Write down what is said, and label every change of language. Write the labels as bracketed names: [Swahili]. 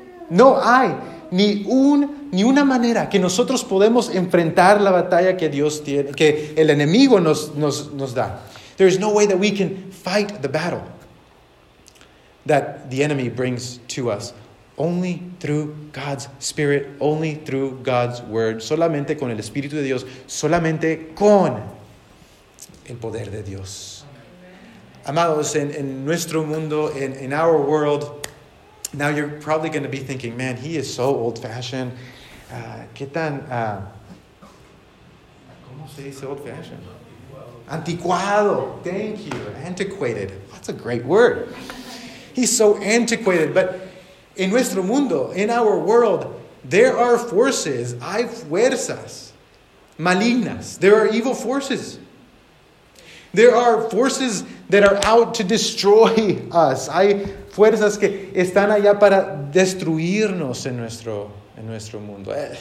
[Spanish] No hay ni una manera que nosotros podemos enfrentar la batalla que Dios tiene, que el enemigo nos da. [English] There is no way that we can fight the battle that the enemy brings to us. Only through God's Spirit, only through God's Word, [Spanish] solamente con el Espíritu de Dios, solamente con el poder de Dios. Amados, en nuestro mundo, [English] in our world, now you're probably going to be thinking, man, he is so old-fashioned. [Spanish] ¿Qué tan, cómo se dice old-fashioned? [English] Anticuado, thank you. Antiquated, that's a great word. He's so antiquated, but in [Spanish] nuestro mundo, [English] in our world, there are forces, [Spanish] hay fuerzas malignas. [English] There are evil forces. There are forces that are out to destroy us. [Spanish] Hay fuerzas que están allá para destruirnos en nuestro mundo.